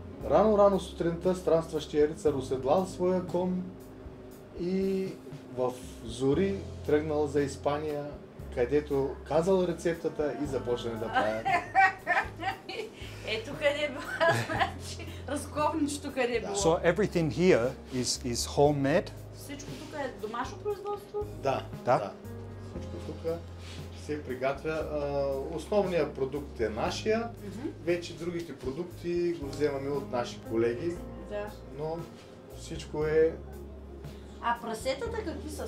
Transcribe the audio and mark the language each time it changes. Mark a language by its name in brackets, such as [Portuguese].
[Bulgarian] Рано-рано сутринта странстващия рицар оседлал своя кон и в зори тръгнал за Испания, където казал рецептата и започнал да прави. Ето къде е била, разковничето къде е било. [English] So everything here is homemade? [Bulgarian] Всичко тук е домашно производство? Да, да. Всичко тук се приготвя. Основният продукт е нашия. Вече другите продукти го вземаме от наши колеги. Да. Но всичко е. А прасетата какви са?